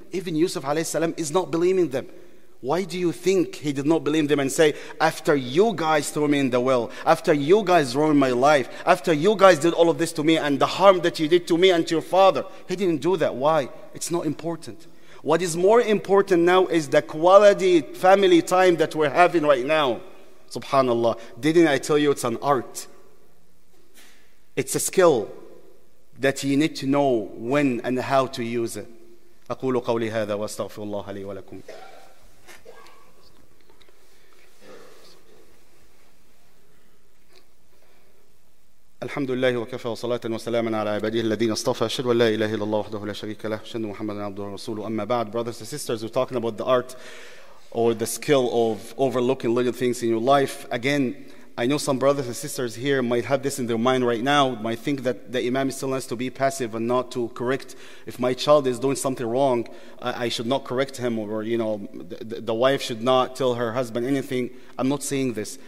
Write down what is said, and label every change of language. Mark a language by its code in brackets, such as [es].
[en] Even Yusuf alayhi salam is not blaming them. Why do you think he did not blame them and say, after you guys threw me in the well, after you guys ruined my life, after you guys did all of this to me and the harm that you did to me and to your father? He didn't do that. Why? It's not important. What is more important now is the quality family time that we're having right now. SubhanAllah. Didn't I tell you it's an art? It's a skill that you need to know when and how to use it. [ar] أقول قولي هذا وأستغفر الله لي ولكم. الحمد لله وكفى وصلاة وسلاما على عباده الذين اصطفى. أشهد أن لا إله إلا الله وحده لا شريك له. أشهد أن محمدا عبده ورسوله. أما بعد, [en] brothers and sisters, we're talking about the art or the skill of overlooking little things in your life. Again, I know some brothers and sisters here might have this in their mind right now, might think that the imam still has to be passive and not to correct. If my child is doing something wrong, I should not correct him, or, you know, the wife should not tell her husband anything. I'm not saying this.